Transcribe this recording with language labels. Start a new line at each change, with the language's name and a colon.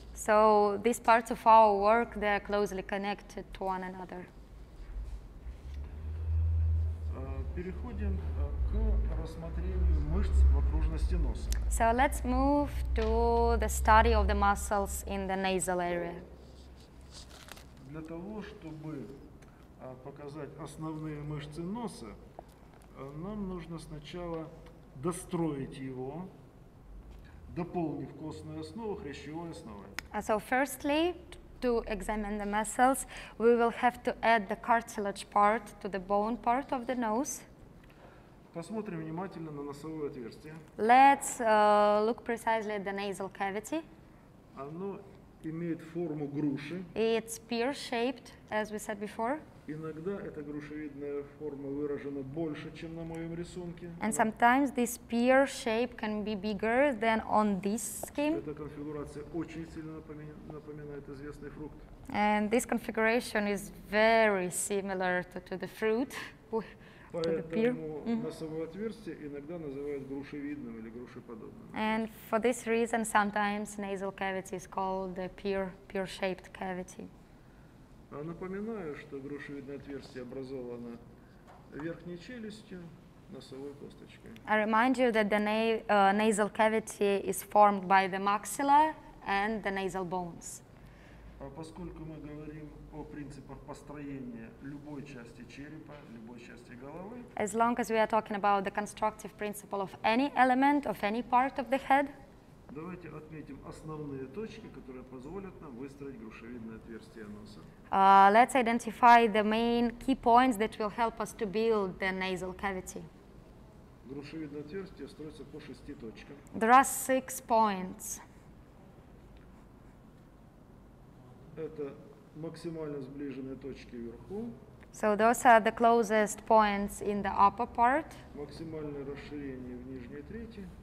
English: So these parts of our work, they are closely connected to one another.
Russian: Переходим к рассмотрению мышц в окружности носа.
English: So let's move to the study of the muscles in the nasal area.
Russian: Для того, чтобы показать основные мышцы носа, нам нужно сначала достроить его, дополнив костную основу хрящевой основой.
English: So firstly, to examine the muscles, we will have to add the cartilage part to the bone part of the nose.
Russian: Посмотрим внимательно на носовое отверстие.
English: Let's look precisely at the nasal cavity.
Russian: Оно имеет форму груши.
English: It's pear-shaped, as we said before.
Russian: Иногда эта грушевидная форма выражена больше, чем на моем рисунке.
English: And sometimes this pear shape can be bigger than on this scheme.
Russian: Эта конфигурация очень сильно напоминает известный фрукт.
English: And this configuration is very similar to the fruit, to the pear.
Russian: Поэтому носовое отверстие иногда называют грушевидным или грушеподобным.
English: And for this reason, sometimes nasal cavity is called the pear-shaped cavity.
Russian: Напоминаю, что грушевидное отверстие образовано верхней челюстью, носовой косточкой.
English: I remind you that the nasal cavity is formed by the maxilla and the nasal bones.
Russian: А поскольку мы говорим о принципах построения любой части черепа, любой части головы,
English: as long as we are talking about the constructive principle of any element, of any part of the head,
Russian: давайте отметим основные точки, которые позволят нам выстроить грушевидное отверстие носа.
English: Let's identify the main key points that will help us to build the nasal cavity.
Russian: Грушевидное отверстие строится по шести точкам.
English: There are six points.
Russian: Это максимально сближенные точки вверху.
English: So those are the closest points in the upper part.
Russian: Максимальное расширение в нижней трети.